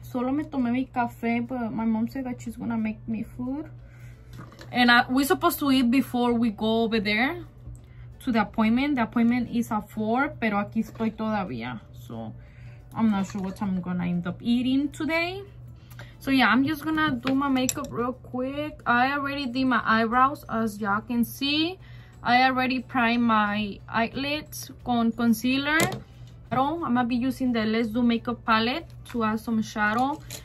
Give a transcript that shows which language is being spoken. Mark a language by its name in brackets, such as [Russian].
[Spanish] Solo me tomé mi café, [English] but my mom said that she's gonna make me food. And we're supposed to eat before we go over there to the appointment. The appointment is at 4, [Spanish] pero aquí estoy todavía. [English] So I'm not sure what I'm gonna end up eating today. So yeah, I'm just gonna do my makeup real quick. I already did my eyebrows, as y'all can see. I already primed my eyelids con concealer. I'm gonna be using the Let's Do Makeup palette to add some shadow.